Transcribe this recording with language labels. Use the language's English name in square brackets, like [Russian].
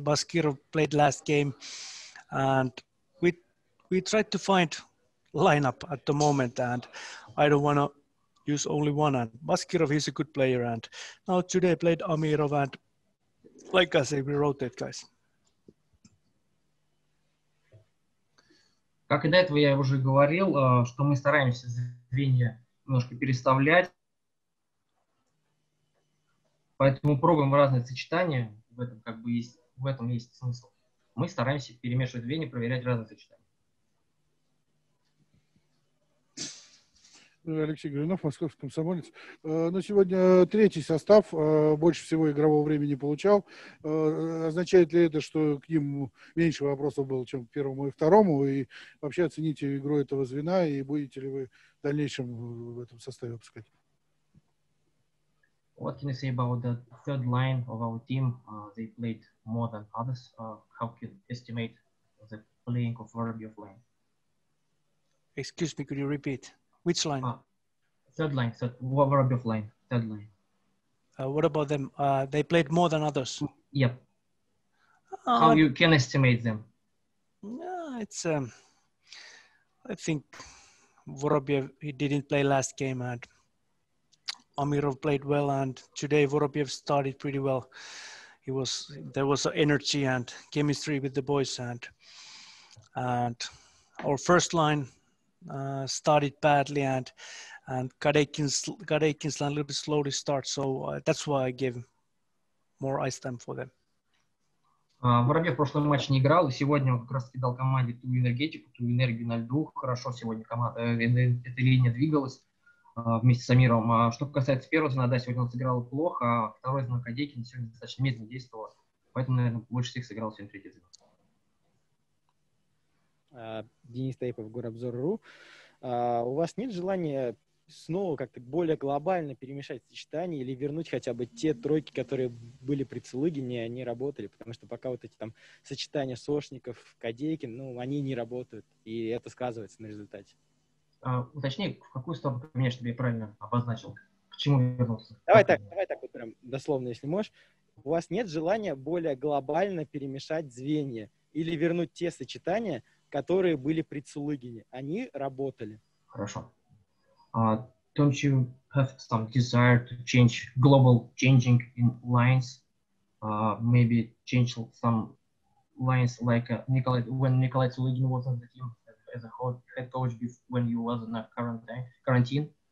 [English] Baskirov played last game, and we tried to find lineup at the moment. And I don't want to use only one. And Baskirov is a good player, and now today played Amirov, and like I say, we rotate guys. [Russian] Как и до этого я уже говорил, что мы стараемся звенья немножко переставлять. Поэтому пробуем разные сочетания. В этом есть смысл. Мы стараемся перемешивать звенья, проверять разные сочетания. Алексей Гринов, Московский комсомолец. На сегодня третий состав больше всего игрового времени получал. Означает ли это, что к ним меньше вопросов было, чем к первому и второму? И вообще оцените игру этого звена, и будете ли вы в дальнейшем в этом составе выпускать? [English] What can you say about the third line of our team? They played more than others. How can you estimate the playing of Vorobyov line? Excuse me, could you repeat? Which line? Third line. Third, Vorobyov line. Third line. What about them? They played more than others. Yep. How you can estimate them? It's I think Vorobyev, he didn't play last game, and Amirov played well, and today Vorobyev started pretty well. He was, there was energy and chemistry with the boys, and our first line started badly, and Kadekin's line a little bit slow to start, so that's why I gave more ice time for them. [Russian] Воробьев в прошлом матче не играл, и сегодня он как раз кидал команде ту энергетику, ту энергию на льду. Хорошо сегодня команда, эта линия двигалась вместе с Амировым. А что касается первого звена, да, сегодня он сыграл плохо, а второй звена Кадекин сегодня достаточно медленно действовал. Поэтому, наверное, больше всех сыграл сегодня третий звена. Денис Тайпов, Горобзор.ру. У вас нет желания снова как-то более глобально перемешать сочетания или вернуть хотя бы те тройки, которые были при Целыгине, они работали, потому что пока вот эти там сочетания Сошников, Кадейкин, ну, они не работают, и это сказывается на результате. Уточни, в какую сторону поменять, чтобы я правильно обозначил, к чему вернулся? Давай так вот прям дословно, если можешь. У вас нет желания более глобально перемешать звенья или вернуть те сочетания, которые были при Целыгине, они работали? Хорошо. [English] Don't you have some desire to change global changing in lines? Maybe change some lines like Nikolai, when Nikolai Tsuligin was on the team as a head coach when you was in a quarantine.